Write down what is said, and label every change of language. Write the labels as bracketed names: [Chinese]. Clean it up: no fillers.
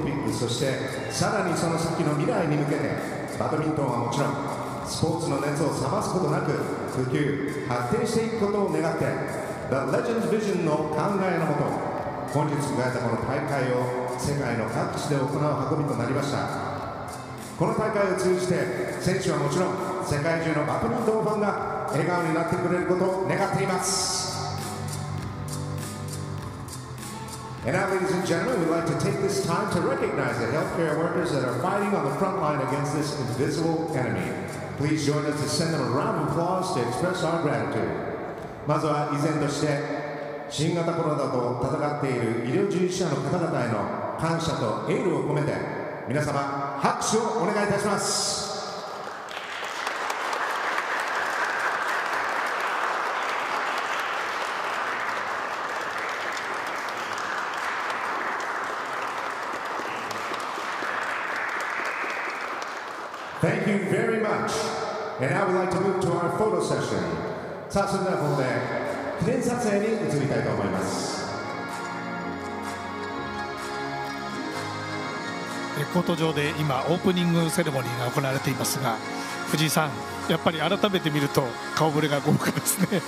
[Japanese] そしてさらにその先の未来に向けてバドミントンはもちろんスポーツの熱を冷ますことなく普及発展していくことを願って The Legends Vision の考えのもと本日迎えたこの大会を世界の各地で行う運びとなりました。この大会を通じて選手はもちろん世界中のバドミントンファンが笑顔になってくれることを願っています。 [English] And now, ladies and gentlemen, we'd like to take this time to recognize the healthcare workers that are fighting on the front line against this invisible enemy. Please join us to send them a round of applause to express our gratitude. [Japanese] まずは依然として新型コロナと戦っている医療従事者の方々への感謝とエールを込めて皆様拍手をお願いいたします。 [English] And now we'd like to move to our photo session. [Japanese] さあ、それではここで記念撮影に移りたいと思います。コート上で今オープニングセレモニーが行われていますが、藤井さん、やっぱり改めて見ると顔ぶれが豪華ですね。